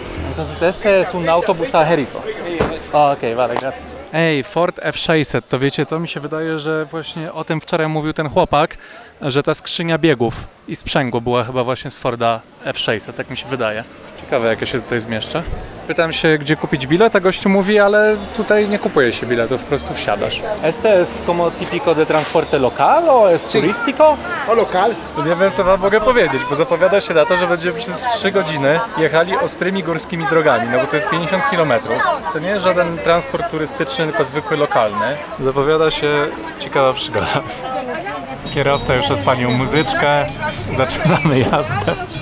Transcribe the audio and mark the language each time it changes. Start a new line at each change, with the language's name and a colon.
Spanish: Entonces este es un autobús a Jericho. Okej, vale, gracias.
Polish: Ej, Ford F600, to wiecie co? Mi się wydaje, że właśnie o tym wczoraj mówił ten chłopak, że ta skrzynia biegów i sprzęgło była chyba właśnie z Forda F600, tak mi się wydaje. Ciekawe, jak ja się tutaj zmieszczę. Pytam się, gdzie kupić bilet, a gościu mówi, ale tutaj nie kupuje się biletu, po prostu wsiadasz.
Spanish: Este es como típico de transporte local o es turístico? O local.
Polish: Nie wiem, co wam mogę powiedzieć, bo zapowiada się na to, że będziemy przez 3 godziny jechali ostrymi górskimi drogami, no bo to jest 50 km. To nie jest żaden transport turystyczny, tylko zwykły lokalny. Zapowiada się ciekawa przygoda. Kierowca już odpalił muzyczkę, zaczynamy jazdę.